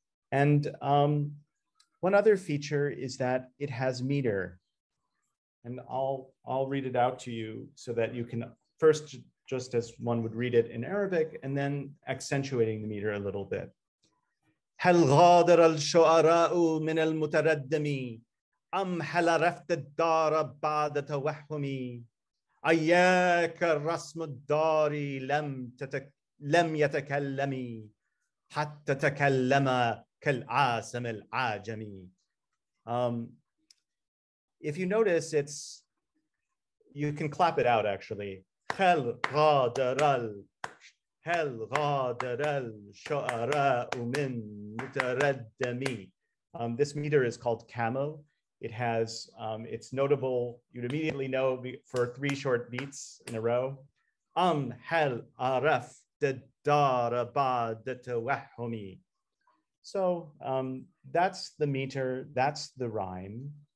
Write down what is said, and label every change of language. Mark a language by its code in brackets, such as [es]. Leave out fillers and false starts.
[en] And one other feature is that it has meter. And I'll read it out to you so that you can first, just as one would read it in Arabic, and then accentuating the meter a little bit. [ar] هل غادر الشعراء من المتردم أم هل رفت الدار بعد توهم أياك الرسم الدار لم يتكلم حتى تكلم كالعاسم العاجم. [en] If you notice, it's, you can clap it out actually. [ar] هل غادر الشعراء من متردمي. [en] This meter is called camo. It has, it's notable, you'd immediately know for 3 short beats in a row. [ar] هل عرفت الدار بعد توهمي. [en] So that's the meter, that's the rhyme.